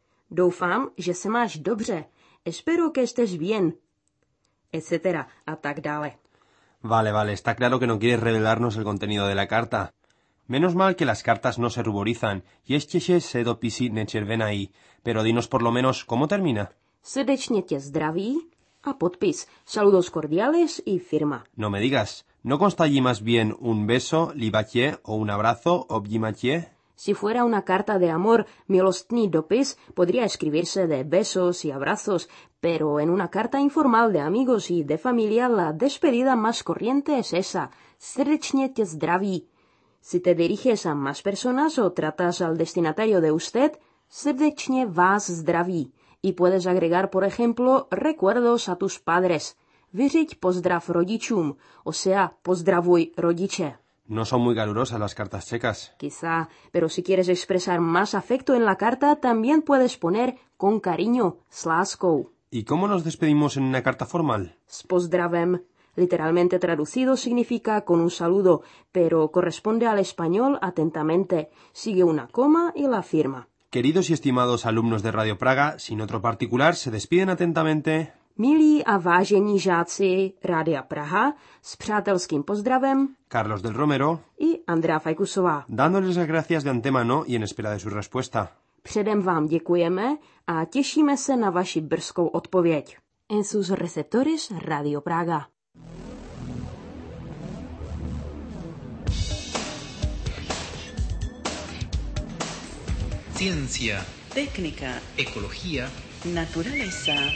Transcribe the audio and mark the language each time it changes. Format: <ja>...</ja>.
<cs>Doufám, že se máš dobře.</cs> <es>Espero que estés bien.</es> <cs>Etcétera, a tak dále.</cs> <es>Vale, vale, está claro que no quieres revelarnos el contenido de la carta. Menos mal que las cartas no se ruborizan. Y es que se sedo pisi nechervenai. Pero dinos por lo menos cómo termina.</es> <cs>Srdečně tě zdraví a podpis.</cs> <es>Saludos cordiales y firma. No me digas. ¿No consta allí más bien un beso, libatie o un abrazo, objimatie? Si fuera una carta de amor,</es> <cs>milostný dopis,</cs> <es>podría escribirse de besos y abrazos, pero en una carta informal de amigos y de familia la despedida más corriente es esa.</es> <cs>Srdečně tě zdraví.</cs> <es>Si te diriges a más personas o tratas al destinatario de usted,</es> <cs>srdečně vás zdraví.</cs> <es>Y puedes agregar, por ejemplo, recuerdos a tus padres.</es> <cs>Vyřiď pozdrav rodičům,</cs> <es>o sea,</es> <cs>pozdravuj rodiče.</cs> <es>No son muy calurosas las cartas checas. Quizá, pero si quieres expresar más afecto en la carta, también puedes poner con cariño,</es> <cs>s láskou.</cs> <es>¿Y cómo nos despedimos en una carta formal?</es> <cs>S pozdravem.</cs> <es>Literalmente traducido significa con un saludo, pero corresponde al español atentamente. Sigue una coma y la firma. Queridos y estimados alumnos de Radio Praga, sin otro particular, se despiden atentamente.</es> <cs>Milí a vážení žáci Rádia Praha, s přátelským pozdravem Carlos del Romero y Andrea Fajkusová.</cs> <es>Dándoles las gracias de antemano y en espera de su respuesta.</es> <cs>Předem vám děkujeme a těšíme se na vaši brzkou odpověď.</cs> <es>En sus receptores Radio Praga. Ciencia, técnica, ecología, naturaleza.</es>